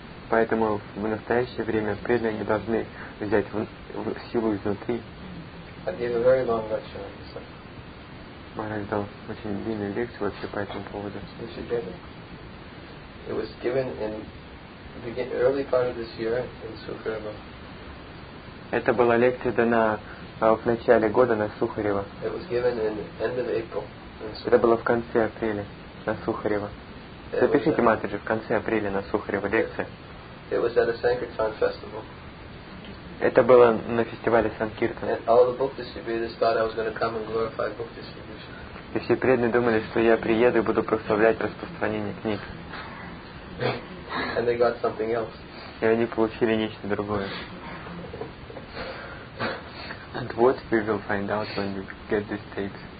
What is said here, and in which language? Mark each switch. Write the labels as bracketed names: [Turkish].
[Russian] Поэтому в настоящее время преданные они должны взять в силу изнутри. Марат дал очень длинную лекцию вообще по этому поводу. [English] It was given in the early part of this year in Сухарево. [Russian] Это была лекция дана в начале года на Сухарево. [English] It was given in end of April. [Russian] Это было в конце апреля на Сухарево. Запишите, Матаджи, в конце апреля на Сухарево лекция. [English] It was at a Sankirtan festival. [Russian] Это было на фестивале Санкиртан. И все преданные думали, что я приеду и буду прославлять распространение книг. [English] And they got something else. [Russian] И они получили нечто другое. [English] And what we will find out when you get these tapes?